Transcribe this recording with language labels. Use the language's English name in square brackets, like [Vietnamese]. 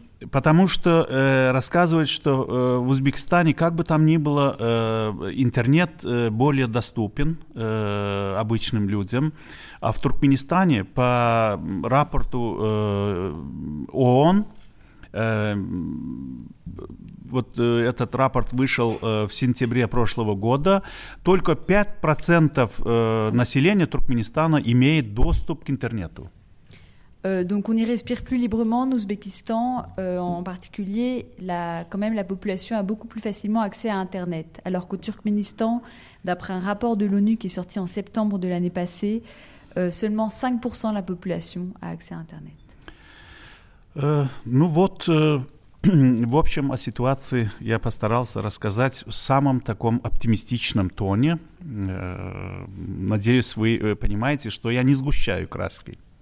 [Russian] Потому что рассказывают, что в Узбекистане, как бы там ни было, интернет более доступен обычным людям, а в Туркменистане по рапорту ООН, вот этот рапорт вышел в сентябре прошлого года, только 5% населения Туркменистана имеет доступ к интернету. [French] Donc on y respire plus librement en Ouzbékistan, en particulier, quand même la population a beaucoup plus facilement accès à Internet. Alors qu'au Turkménistan, d'après un rapport de l'ONU qui est sorti en septembre de l'année passée, seulement 5% de la population a accès à Internet. [Russian] Ну вот, в общем, о ситуации я постарался рассказать в самом таком оптимистичном тоне. Надеюсь, вы понимаете, что я не сгущаю краски.